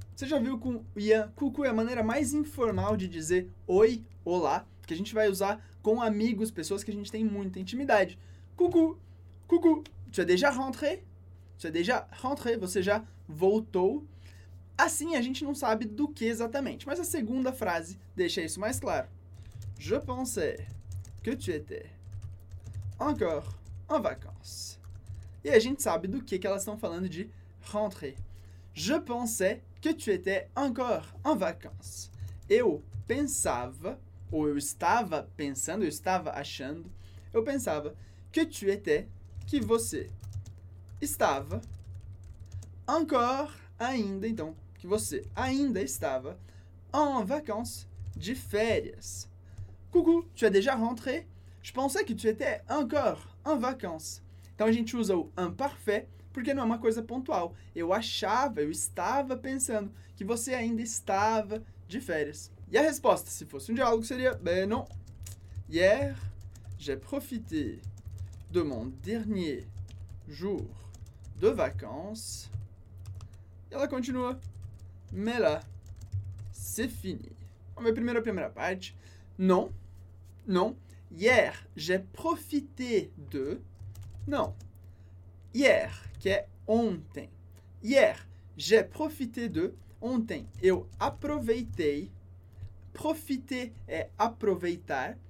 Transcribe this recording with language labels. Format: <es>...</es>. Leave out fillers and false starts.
<pt>Você já viu com Ian, cucu é a maneira mais informal de dizer oi, olá, que a gente vai usar com amigos, pessoas que a gente tem muita intimidade.</pt> <fr>Cucu, cucu, tu es déjà rentré, tu es déjà rentré,</fr> <pt>você já voltou. Assim, a gente não sabe do que exatamente, mas a segunda frase deixa isso mais claro.</pt> <fr>Je pensais que tu étais encore en vacances.</fr> <pt>E a gente sabe do que elas estão falando de rentrer.</pt> <fr>Je pensais que tu étais encore en vacances.</fr> <pt>Eu pensava, ou eu estava pensando, eu estava achando, eu pensava que</pt> <fr>tu étais,</fr> <pt>que você estava encore ainda, então, que você ainda estava</pt> <fr>en vacances,</fr> <pt>de férias.</pt> <fr>Cucu, tu es déjà rentré. Je pensais que tu étais encore en vacances.</fr> <pt>Então a gente usa o imparfait porque não é uma coisa pontual. Eu achava, eu estava pensando que você ainda estava de férias. E a resposta, se fosse um diálogo, seria</pt> <fr>ben non. Hier, j'ai profité de mon dernier jour de vacances.</fr> <pt>E ela continua.</pt> <fr>Mais là, c'est fini.</fr> <pt>Vamos ver primeiro a primeira parte.</pt> <fr>Non, non. Hier, j'ai profité de... Non. Hier,</fr> <pt>que é ontem.</pt> <fr>Hier, j'ai profité de...</fr> <pt>Ontem, eu aproveitei. Profiter é aproveitar.</pt>